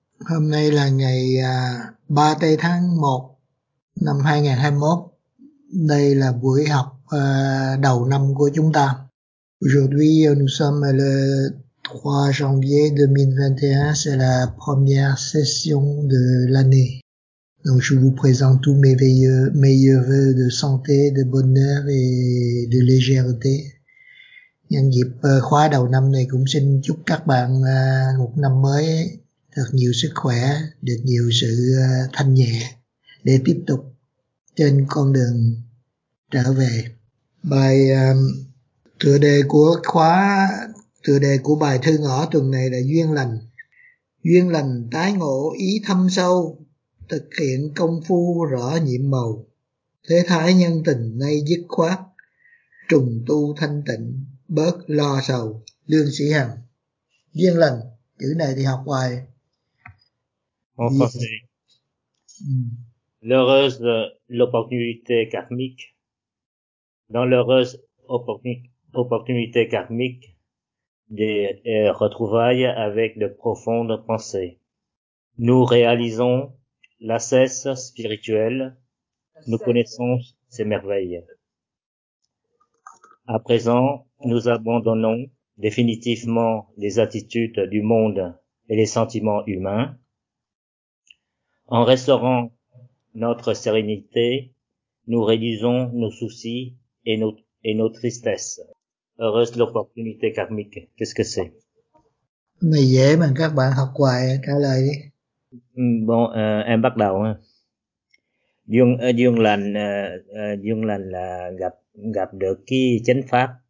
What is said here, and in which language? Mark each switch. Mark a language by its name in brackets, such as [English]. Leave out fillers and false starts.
[Vietnamese] Hôm nay là ngày 3 tây tháng 1 năm 2021. Đây là buổi học đầu năm của chúng ta. [French] Aujourd'hui, nous sommes le 3 janvier 2021, c'est la première session de l'année. Donc, je vous présente tous mes meilleurs vœux de santé, de bonheur et de légèreté. [Vietnamese] Nhân dịp khóa đầu năm này cũng xin chúc các bạn một năm mới thật nhiều sức khỏe, được nhiều sự thanh nhẹ để tiếp tục trên con đường trở về. Bài tựa đề của khóa, tựa đề của bài thư ngỏ tuần này là duyên lành. Duyên lành tái ngộ ý thâm sâu, thực hiện công phu rõ nhiệm màu. Thế thái nhân tình nay dứt khoát, trùng tu thanh tịnh bớt lo sầu. Lương Sĩ Hằng. Duyên lành, chữ này thì học hoài. [French] Oh, c'est l'heureuse opportunité karmique. Dans l'heureuse opportunité karmique des retrouvailles avec de profondes pensées, nous réalisons la cesse spirituelle, nous connaissons ces merveilles. À présent, nous abandonnons définitivement les attitudes du monde et les sentiments humains. En restaurant notre sérénité, nous réduisons nos soucis et nos tristesses. Heureuse l'opportunité karmique, qu'est-ce que c'est? [Vietnamese] Mày dễ mà các bạn học hoài, trả lời đi. Bon, em bắt đầu. Duyên lành là gặp gặp được cái chánh pháp.